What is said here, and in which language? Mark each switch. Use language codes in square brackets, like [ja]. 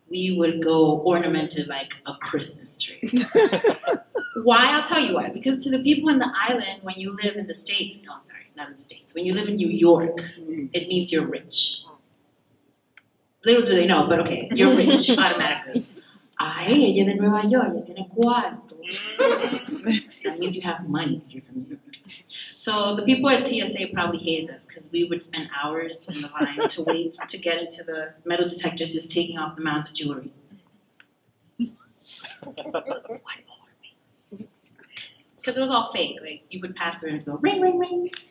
[en] We would go ornamented like a Christmas tree. Why? I'll tell you why. Because to the people in the island, when you live in the States, no, sorry, not in the States, when you live in New York, it means you're rich. Little do they know, but okay, you're rich automatically. [es] Ay, ella de Nueva York, ella tiene cuarto. [en] That means you have money if you're from New York. So the people at TSA probably hated us because we would spend hours in the line to wait to get into the metal detectors just taking off the mounds of jewelry. Because it was all fake. Like, you would pass through and go ring, ring, ring.